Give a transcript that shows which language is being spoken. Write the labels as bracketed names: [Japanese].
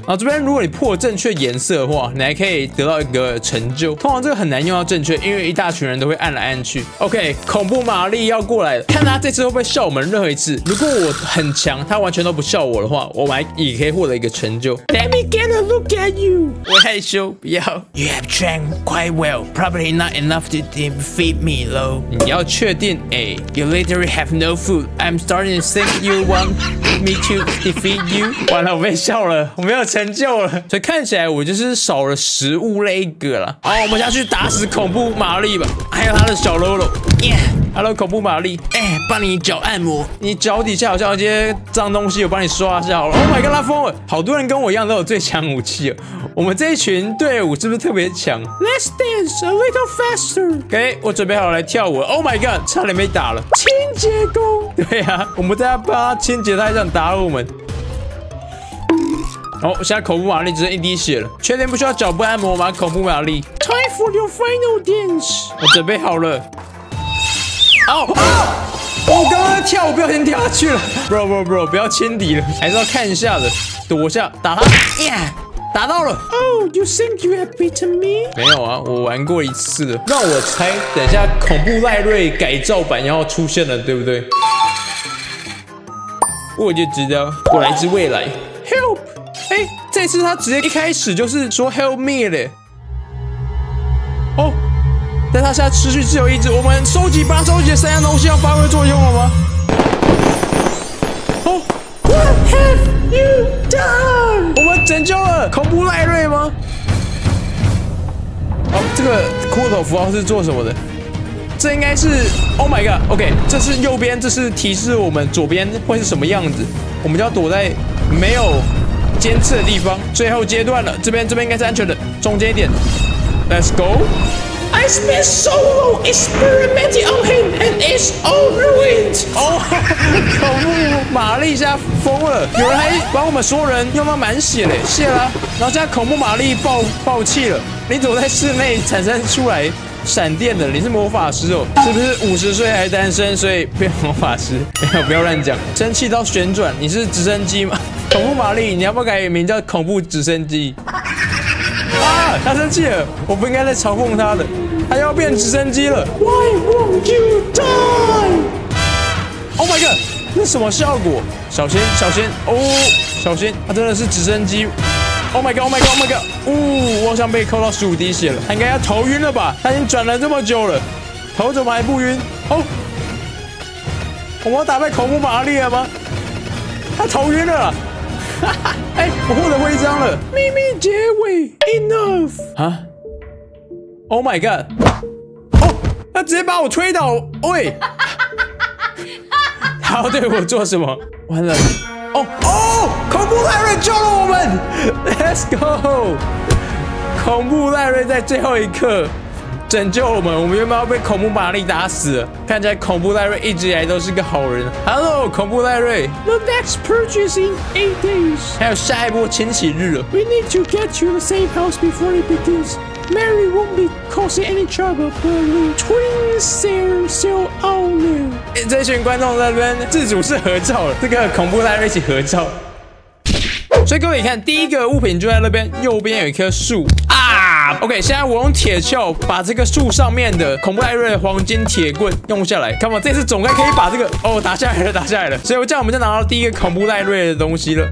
[Chinese] 然后这边如果你破正确颜色的话，你还可以得到一个成就，通常这个很难用到正确，因为一大群人都会按来按去。 OK， 恐怖玛丽要过来了，看他这次会不会笑我们任何一次。如果我很强，他完全都不笑我的话，我们还也可以获得一个成就。 [English] Let me get a look at you。 [Chinese] 我害羞，不要。 [English] You have trained quite well, probably not enough to defeat me, though。 [Chinese] 你要确定 ？A. [English] You literally have no food. I'm starting to think you want me to defeat you。 [Chinese] 完了，我被笑了，我没有成就了。所以看起来我就是少了食物那一个。好，我们下去打死恐怖玛丽吧，还有他的小喽啰。 Hello， 恐怖玛丽，帮你脚按摩，你脚底下好像有些脏东西，我帮你刷一下好了。 [English] Oh my god， [Chinese] 他疯了，好多人跟我一样都有最强武器了，我们这一群队伍是不是特别强 ？ [English] Let's dance a little faster。 [Chinese] OK， 我准备好来跳舞了。 [English] Oh my god， [Chinese] 差点被打了。清洁工，对啊，我们在帮他清洁，他还想打我们。哦，现在恐怖玛丽只剩一滴血了，确定不需要脚部按摩吗？恐怖玛丽 [English] ，Time for your final dance。 [Chinese] 我准备好了。哦啊！我刚刚跳，我不小心跳下去了。Bro， 不要轻敌了，还是要看一下的，躲下打他。 [English] Yeah， [Chinese] 打到了。 [English] Oh， you think you have beaten me？ [Chinese] 没有啊，我玩过一次的。让我猜，等一下恐怖赖瑞改造版要出现了，对不对？我就知道，我来自未来。 [English] Help。 [Chinese] 这次他直接一开始就是说 [English] help me [Chinese] 嘞，哦，但他现在持续自由意志，我们收集把他收集的三样东西要发挥作用了吗？哦 [English] ，What have you done？ [Chinese] 我们拯救了恐怖赖瑞吗？哦，这个骷髅符号是做什么的？这应该是 ， [English] Oh my god， [Chinese] OK，、okay, 这是右边，这是提示我们左边会是什么样子，我们就要躲在没有尖刺的地方，最后阶段了，这边应该是安全的，中间一点 ， [English] Let's go。 I spent so long experimenting on him and it's all ruined。 [Chinese] 哦，恐怖玛丽现在疯了，有人还把我们所有人用到满血嘞，谢啦。然后现在恐怖玛丽爆气了，你怎么在室内产生出来闪电的？你是魔法师哦，是不是50岁还单身，所以变魔法师？没有，不要乱讲，蒸汽到旋转，你是直升机吗？恐怖玛丽，你要不改名叫恐怖直升机？啊，他生气了，我不应该再嘲讽他的，他要变直升机了。 [English] Why won't you die? Oh my god， [Chinese] 那什么效果？小心，小心，哦，小心，他真的是直升机。 [English] Oh my god, oh my god, oh my god， [Chinese] 呜，我好像被扣到15滴血了，他应该要头晕了吧？他已经转了这么久了，头怎么还不晕？哦，我们要打败恐怖玛丽了吗？他头晕了啦，哈哈，哎，我获得徽章了。秘密结尾 ， [English] enough。 [Chinese] 啊 ？ [English] Oh my god！ [Chinese] 哦，他直接把我推倒，喂！他要对我做什么？完了！哦哦，恐怖赖瑞救了我们 ， [English] Let's go！ [Chinese] 恐怖赖瑞在最后一刻拯救我们，我们原本要被恐怖玛丽打死了。看起来恐怖赖瑞一直以来都是个好人。 [English] Hello， 恐怖赖瑞。 The next purge in 8 days。 [Chinese] 还有下一波清洗日了。 [English] We need to get to the safe house before it begins. Mary won't be causing any trouble, but the twins are still out there。 [Chinese] 这群观众在那边自主是合照了，这个恐怖赖瑞一起合照。所以各位你看，第一个物品就在那边，右边有一棵树啊， OK， 现在我用铁锹把这个树上面的恐怖艾瑞的黄金铁棍用下来。 [English] Come on， [Chinese] 这次总该可以把这个哦打下来了，打下来了。所以这样我们就拿到第一个恐怖艾瑞的东西了。